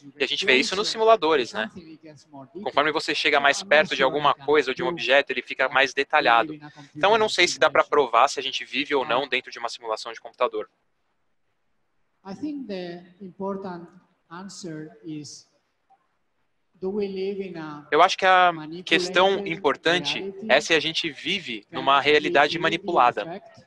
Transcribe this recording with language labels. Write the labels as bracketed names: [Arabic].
[Portuguese] E a gente vê isso nos simuladores, né? Conforme você chega mais perto de alguma coisa ou de um objeto, ele fica mais detalhado. Então, eu não sei se dá para provar se a gente vive ou não dentro de uma simulação de computador. [English] I think the important answer is, do we live in a... [Portuguese] Eu acho que a questão importante é se a gente vive numa realidade manipulada.